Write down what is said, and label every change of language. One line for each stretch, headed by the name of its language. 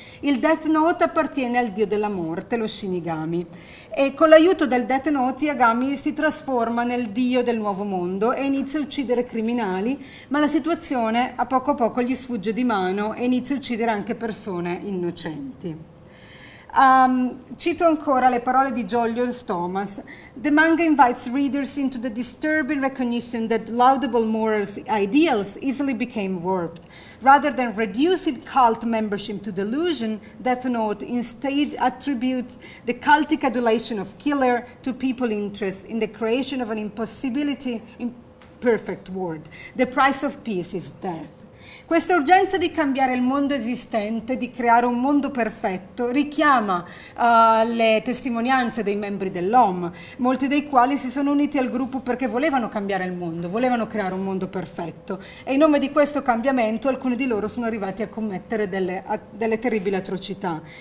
Italian: Il Death Note appartiene al dio della morte, lo Shinigami, e con l'aiuto del Death Note Yagami si trasforma nel dio del nuovo mondo e inizia a uccidere criminali, ma la situazione a poco gli sfugge di mano e inizia a uccidere anche persone innocenti. Cito ancora le parole di Joel Thomas:
English: "The manga invites readers into the disturbing recognition that laudable moral ideals easily became warped. Rather than reducing cult membership to delusion, Death Note instead attributes the cultic adulation of killer to people's interest in the creation of an impossibility imperfect world. The price of peace is death."
Italian: Questa urgenza di cambiare il mondo esistente, di creare un mondo perfetto, richiama le testimonianze dei membri dell'Homme, molti dei quali si sono uniti al gruppo perché volevano cambiare il mondo, volevano creare un mondo perfetto. E in nome di questo cambiamento alcuni di loro sono arrivati a commettere delle terribili atrocità.